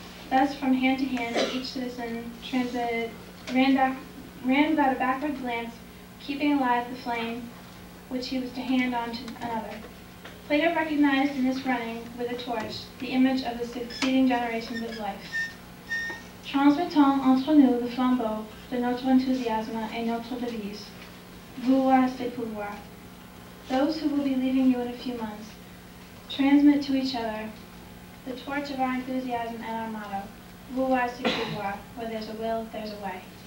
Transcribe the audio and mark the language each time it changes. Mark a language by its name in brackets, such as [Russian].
[English] Thus, from hand to hand, each citizen ran without a backward glance, keeping alive the flame which he was to hand on to another. Plato recognized in this running with a torch the image of the succeeding generations of life. [French] Transmettons entre nous le flambeau de notre enthousiasme et notre devise. Vous voyez ce pouvoir. [English] Those who will be leaving you in a few months, transmit to each other the torch of our enthusiasm and our motto, [French] vous voyez ce pouvoir, [English] where there's a will, there's a way.